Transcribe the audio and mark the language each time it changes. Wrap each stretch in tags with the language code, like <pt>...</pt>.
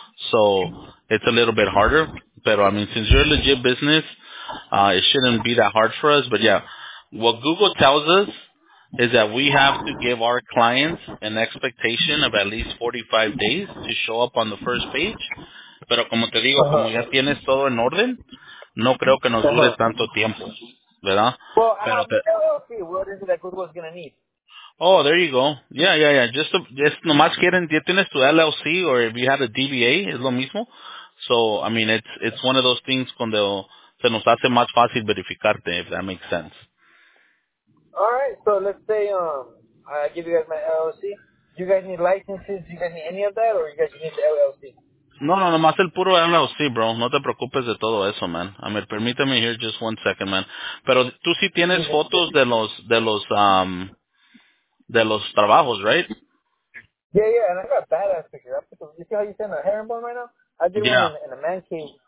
<en>So it's a little bit harder.</en> <es>Pero,</es> <en>I mean, since you're a legit business, it shouldn't be that hard for us. But, yeah, what Google tells us is that we have to give our clients an expectation of at least 45 days to show up on the first page.</en> <es>Pero como te digo, como ya tienes todo en orden, no creo que nos dure tanto tiempo. ¿Verdad?</es> <en>Well, what is it that Google is going to need? Oh, there you go. Yeah. Just</en> <es>nomás quieren, ya tienes tu</es> <en>LLC, or if you had a DBA,</en> <es>es lo mismo.</es> <en>So, I mean, it's one of those things</en> <es>cuando se nos hace más fácil verificarte,</es> <en>if that makes sense. All right. So, let's say I give you guys my LLC. Do you guys need licenses? Do you guys need any of that, or you guys need the LLC?</en> <es>No, nomás el puro LLC, bro. No te preocupes de todo eso, man. A ver, permíteme</es> <en>here just one second,</en> <es>man. Pero tú sí tienes fotos de los trabajos, right?</es> <en>Yeah, and I got badass pictures. You see how you stand on a herringbone right now? I did one in a man cave.</en>